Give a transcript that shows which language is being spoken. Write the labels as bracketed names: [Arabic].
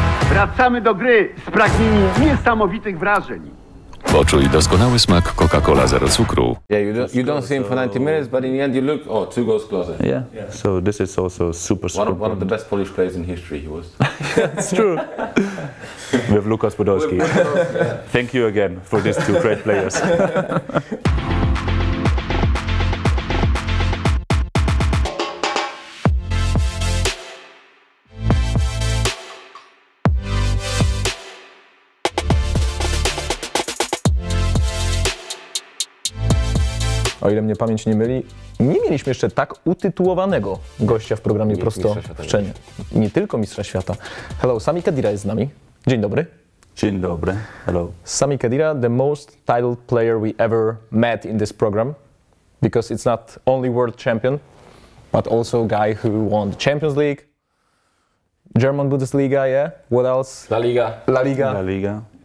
[Polish] Wracamy do gry z pragnieniem niesamowitych wrażeń. Poczuj doskonały smak Coca-Cola zero cukru. [English] Yeah, you don't see him for 90 minutes, but in the end you look, oh, two goals closer. Yeah. So this is also super one, one of the best Polish players in history he was. It's true. With Lukasz Podolski. Yeah. Thank you again for these two great players. [Polish] O ile mnie pamięć nie myli, nie mieliśmy jeszcze tak utytułowanego gościa w programie Prosto w Szczenie. Nie tylko Mistrza Świata. Hello, Sami Khedira jest z nami. Dzień dobry. Dzień dobry. Hello. [English] Sami Khedira, the most titled player we ever met in this program, because it's not only world champion, but also guy who won the Champions League, German Bundesliga, yeah? What else? La Liga. La Liga. La Liga.